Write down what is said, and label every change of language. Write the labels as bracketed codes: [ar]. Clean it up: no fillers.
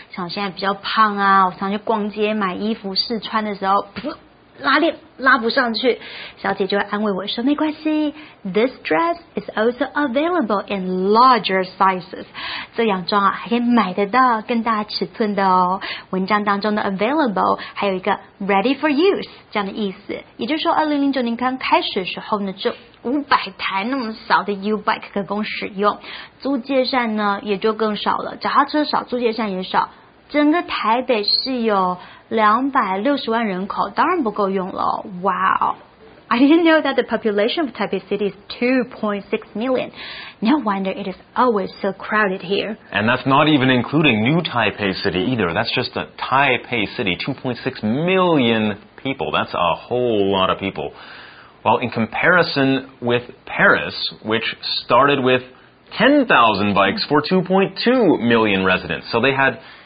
[zh] 像现在比较胖啊，我常常去逛街买衣服试穿的时候，拉链拉不上去，小姐就会安慰我说没关系。 [en] This dress is also available in larger sizes. [zh] 这洋装啊，还可以买得到更大尺寸的哦。文章当中的 available 还有一个 [en] ready for use [zh] 这样的意思，也就是说，2009年刚开始的时候呢，就500台那么少的 U-bike 可供使用，租借站呢也就更少了，脚踏车少，租借站也少。整个台北是有260万人口，当然不够用了。 [en] Wow, I didn't know that the population of Taipei City is 2.6 million. No wonder it is always so crowded here. And that's not even including New Taipei City either. That's just a Taipei City, 2.6 million people. That's a whole lot of people. Well, in comparison with Paris, which started with 10,000 bikes for 2.2 million residents. So they had...